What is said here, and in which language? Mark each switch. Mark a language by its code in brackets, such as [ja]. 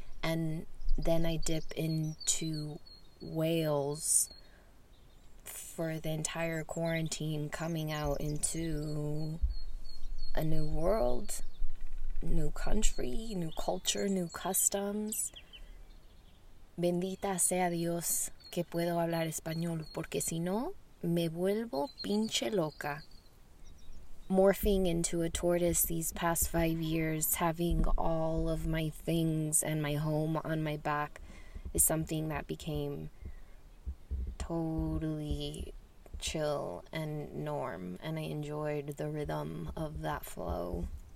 [en] And then I dip into Wales for the entire quarantine, coming out into a new world, new country, new culture, new customs. [es] Bendita sea Dios que puedo hablar español, porque si no, me vuelvo pinche loca. [en] Morphing into a tortoise these past 5 years, having all of my things and my home on my back, is something that became totally chill and norm, and I enjoyed the rhythm of that flow.